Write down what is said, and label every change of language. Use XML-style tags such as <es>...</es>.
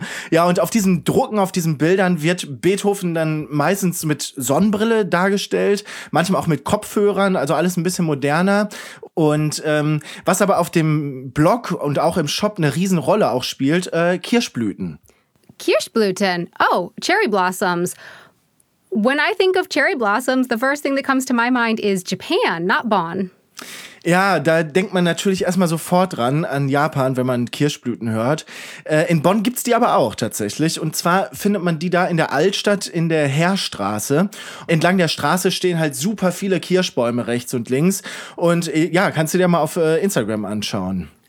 <de>Ja, und auf diesen Drucken, auf diesen Bildern wird Beethoven dann meistens mit Sonnenbrille dargestellt, manchmal auch mit Kopfhörern, also alles ein bisschen moderner. Und was aber auf dem Blog und auch im Shop eine Riesenrolle auch spielt, Kirschblüten.</de> <en>Kirschblüten? Oh, Cherry Blossoms. When I think of cherry blossoms, the first thing that comes to my mind is Japan, not Bonn.</en> <de>Ja, da denkt man natürlich erstmal sofort dran an Japan, wenn man Kirschblüten hört. In Bonn gibt's die aber auch tatsächlich. Und zwar findet man die da in der Altstadt in der Heerstraße. Entlang der Straße stehen halt super viele Kirschbäume rechts und links. Und ja, kannst du dir mal auf Instagram anschauen.</de>